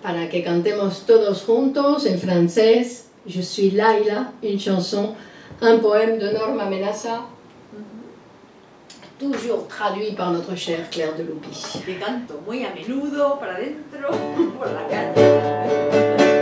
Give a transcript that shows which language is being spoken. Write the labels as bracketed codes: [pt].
[es] Que cantemos todos juntos en francés. [fr] Je suis Laila, une chanson, un poème de Norma Menaza, toujours traduit par notre chère Claire de Lupi. [es] Te canto muy a menudo para adentro, por la calle.